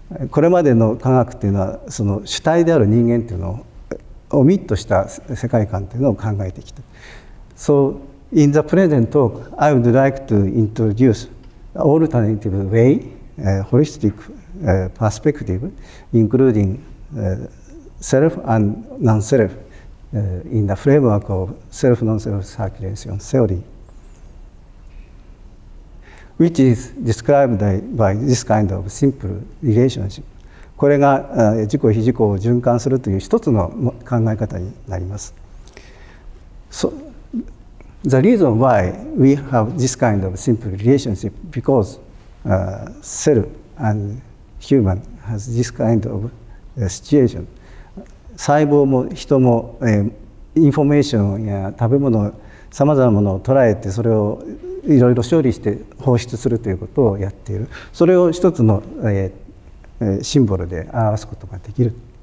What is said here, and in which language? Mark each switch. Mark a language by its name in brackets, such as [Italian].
[Japanese] これまでの科学というのは、その主体である人間というのをオミットした世界観というのを考えてきた。 [English] So in the present talk, I would like to introduce alternative way, holistic perspective, including self and non-self in the framework of self-non-self circulation theory, which is described by this kind of simple relationship. [Japanese] これが自己非自己を循環するという一つの考え方になります。 [English] So, the reason why we have this kind of simple relationship because cell and human has this kind of situation. [Japanese] 細胞も人も、インフォメーションや食べ物、さまざまなものを捉えて、それをいろいろ処理して放出するということをやっている。それを一つの、シンボルで表すことができる。